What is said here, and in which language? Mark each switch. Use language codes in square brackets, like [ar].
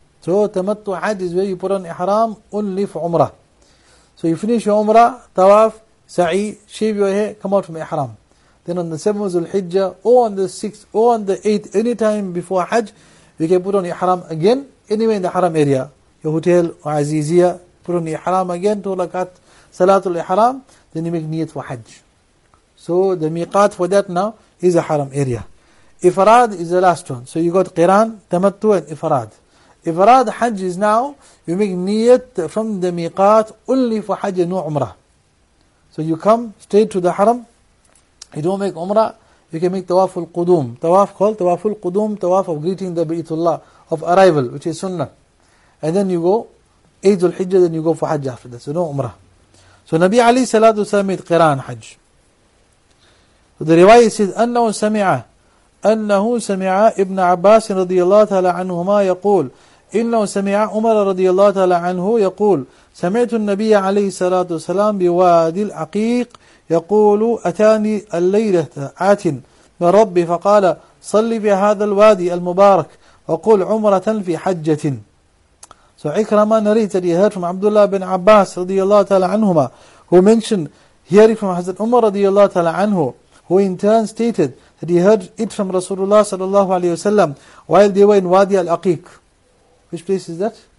[en] So Tamattu'ad is where you put on Ihram only for Umrah. So you finish your Umrah, Tawaf, Sa'i, shave your hair, come out from Ihram. Then on the 7th of Zulhijjah, or on the 6th, or on the 8th, any time before Hajj, we can put on Ihram again, anywhere in the Haram area. jag hotell och Azizia på grund av ihram igen, tog att salat och ihram, den är med niyat för hajj. So the miqat for that now is a haram area. Ifrad is the last one. So you got Qiran, Tamattu and Ifrad. Ifrad hajj is now, you make niyat from the miqat only for hajj and no umrah. So you come straight to the haram, you don't make umrah, you can make tawaf al-qudum. Tawaf called tawaf al-qudum, tawaf of greeting the Baytullah, of arrival, which is sunnah. And then you go, Eid al-Hijjah, then you go for hajj after that. So no umrah. So Nabi Ali salatu wasalam made Qiran hajj. [ar] So the riwayah says, أنه سمع أنه سمع ابن عباس رضي الله تعالى عنهما يقول إنه سمع عمر رضي الله تعالى عنه يقول سمعت النبي عليه الصلاة والسلام بوادي العقيق يقول أتاني الليلة آت من ربي فقال صلي في هذا الوادي المبارك وقل عمرة في حجة. [en] So Ikrama narrated, he heard from Abdullah bin Abbas [ar] رضي الله تعالى عنهما, [en] who mentioned hearing from Hazrat Umar [ar] رضي الله تعالى عنه, [en] who in turn stated that he heard it from Rasulullah sallallahu alayhi wasallam while they were in Wadi al-Aqiq. Which place is that?